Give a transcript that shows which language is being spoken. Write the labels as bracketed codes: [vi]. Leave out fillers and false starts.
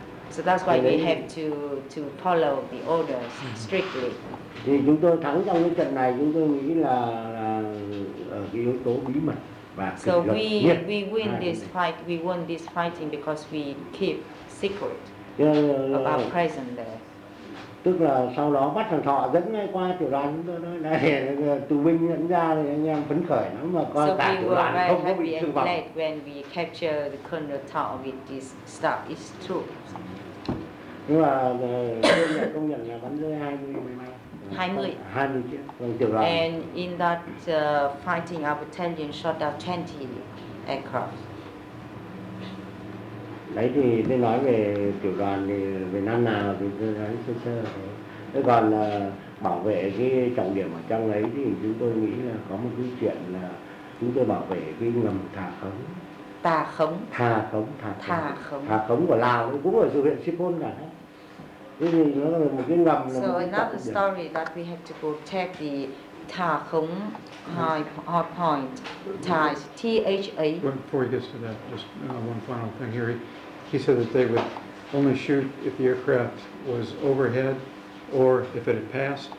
[en] So that's why we have to follow the orders strictly. [vi] Thì chúng tôi thắng trong cái trận này, chúng tôi nghĩ là cái yếu tố bí mật và [en] so we win this fight. We won this fighting because we keep secret about present there. [vi] Tức là sau đó bắt thằng Thọ dẫn ngay qua tiểu đoàn chúng tôi nói này, tù binh dẫn ra thì anh em phấn khởi lắm mà coi [en] so [vi] cả tiểu đoàn [en] right, [vi] không có bị thương vọng. [en] Glad when we capture the Colonel Thọ with this stuff, it's true. [vi] Nhưng mà công nhận là bắn rơi 20 chiếc trong tiểu đoàn. [en] And in that fighting, our battalion shot down 20 aircraft. [vi] Đấy thì tôi nói về tiểu đoàn thì về năm nào thì tôi nói sơ sơ thôi. Thế còn là bảo vệ cái trọng điểm ở trong ấy thì chúng tôi nghĩ là có một cái chuyện là chúng tôi bảo vệ cái ngầm Thà Khống. Thà Khống. Thà Khống. Thà Khống. Thà Khống. Thà Khống của Lào cũng ở dự huyện Sipol cả đấy. Thế thì nó là một cái ngầm là [en] so another story that we have to protect the Thà Khống hard point. THA. Before we get to that, just one final thing here. He said that they would only shoot if the aircraft was overhead or if it had passed.